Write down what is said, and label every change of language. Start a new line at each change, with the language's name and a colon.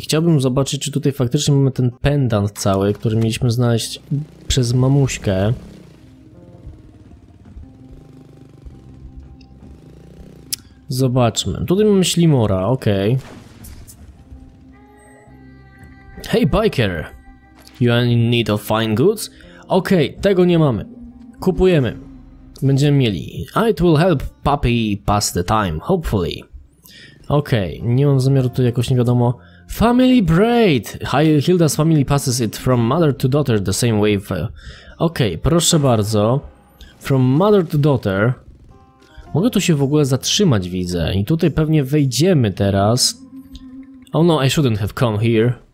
Polish: Chciałbym zobaczyć, czy tutaj faktycznie mamy ten pendant cały, który mieliśmy znaleźć przez mamuśkę. Zobaczmy. Tutaj mamy ślimora, okej.
English: Hey, biker! You are in need of fine goods?
Polish: Okej, tego nie mamy. Kupujemy. Będziemy mieli.
English: It will help puppy pass the time, hopefully.
Polish: Okej, nie mam zamiaru tu jakoś, nie wiadomo.
English: Family braid! Hilda's family passes it from mother to daughter the same way.
Polish: Okej, proszę bardzo.
English: From mother to daughter.
Polish: Mogę tu się w ogóle zatrzymać, widzę. I tutaj pewnie wejdziemy teraz.
English: Oh no, I shouldn't have come here.